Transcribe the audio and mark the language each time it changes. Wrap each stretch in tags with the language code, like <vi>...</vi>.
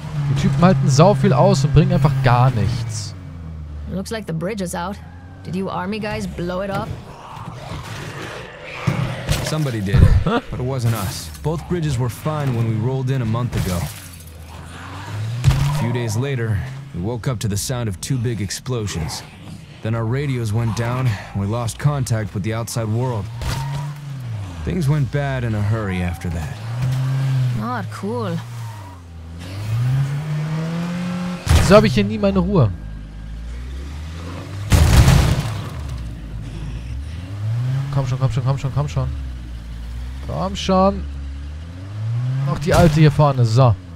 <de>Die Typen halten sau viel aus und bringen einfach gar nichts.</de> <en>Looks like the bridge is out. Did you army guys blow it up? Somebody did, but it wasn't us. Both bridges were fine when we rolled in a month ago. A few days later, we woke up to the sound of two big explosions. Then our radios went down, and we lost contact with the outside world. Things went bad in a hurry after that. Not cool.</en> <de>So habe ich hier nie meine Ruhe. Komm schon, komm schon, komm schon, komm schon. Komm schon. Noch die alte hier vorne. So.</de>